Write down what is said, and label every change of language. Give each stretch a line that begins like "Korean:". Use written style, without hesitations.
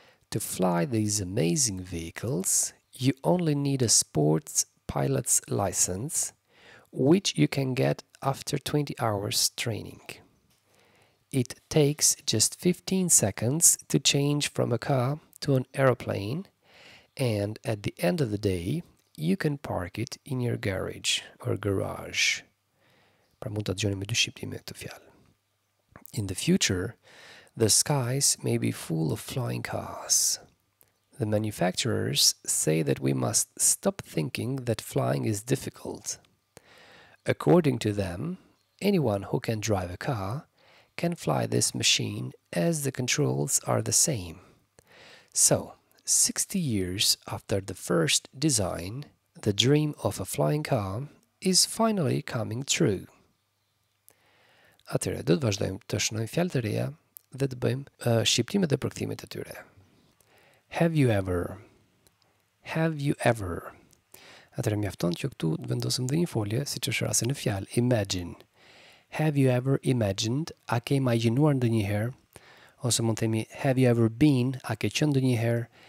English: To fly these amazing vehicles, you only need a sports pilot's license, which you can get after 20 hours training. It takes just 15 seconds to change from a car to an aeroplane, and at the end of the day, you can park it in your garage or garage.
Albanian: Pra mund ta dëgjoni me dy shqiptime këtë fjalë.
English: In the future, the skies may be full of flying cars. The manufacturers say that we must stop thinking that flying is difficult. According to them, anyone who can drive a car can fly this machine as the controls are the same. So, 60 years after the first design, the dream of a flying car is finally coming true.
Albanian: Atëherë, do të vazhdojmë të shënojmë fjalët e reja dhe të bëjmë shqiptimet dhe përkthimet e tyre.
English: Have you ever? Have you ever?
Albanian: Atëherë mjafton që këtu të vendosim dhe një folje, siç është rasti në fjalë, imagine.
English: Have you ever imagined?
Albanian: A ke imagjinuar ndonjëherë? Ose mund themi
English: have you ever been?
Albanian: A ke qenë ndonjëherë?